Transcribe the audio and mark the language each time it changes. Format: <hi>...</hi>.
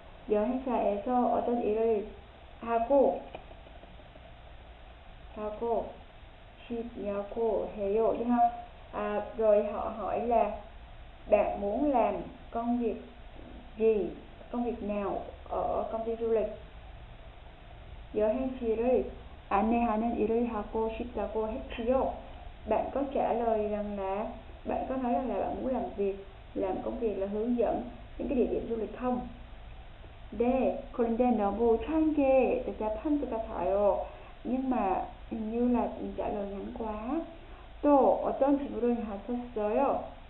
<ko>여행사에서 어떤 일을 하고 하고 싶냐고 해요.</ko> <vi>그냥, rồi họ hỏi là bạn muốn làm công việc gì, công việc nào ở công ty du lịch.</vi> <ko>여행실을 안내하는 일을 하고 싶다고 했지요.</ko> <vi>�ạn có trả lời rằng là bạn có nói rằng là bạn muốn làm việc, làm công việc là hướng dẫn những cái địa điểm du lịch không?</vi> <ko>네, 그런데 너무 짧게 대답한 것 같아요.</ko> <vi>Nhưng mà như là trả lời ngắn quá.</vi> <ko>또 어떤 질문을 하셨어요?</ko>